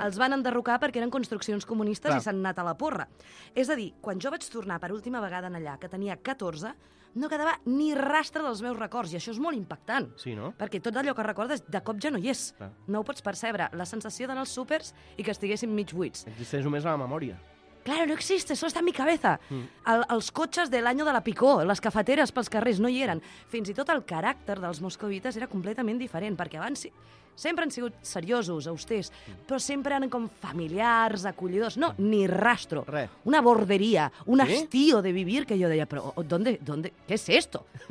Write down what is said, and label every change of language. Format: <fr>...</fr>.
<ca>Els van enderrocar perquè eren construccions comunistes i s'han anat a la porra. És a dir, quan jo vaig tornar per última vegada en allà, que tenia 14, no quedava ni rastre dels meus records, i això és molt impactant. Sí, no? Perquè tot allò que recordes, de cop ja no hi és. Clar. No ho pots percebre, la sensació d'anar als súpers i que estiguessin mig buits. Existeix només a la memòria.</ca> <es>Claro, no existe, eso está en mi cabeza.</es> <ca>Els cotxes de l'any de la picó, les cafeteres pels carrers, no hi eren. Fins i tot el caràcter dels moscovites era completament diferent, perquè abans sempre han sigut seriosos, austers, però sempre eren com familiars, acollidors.</ca> <es>No, ni rastro.</es> <ca>Re. Una borderia, un hastío de vivir, que jo deia, però</ca> <es>¿dónde, qué es esto?</es>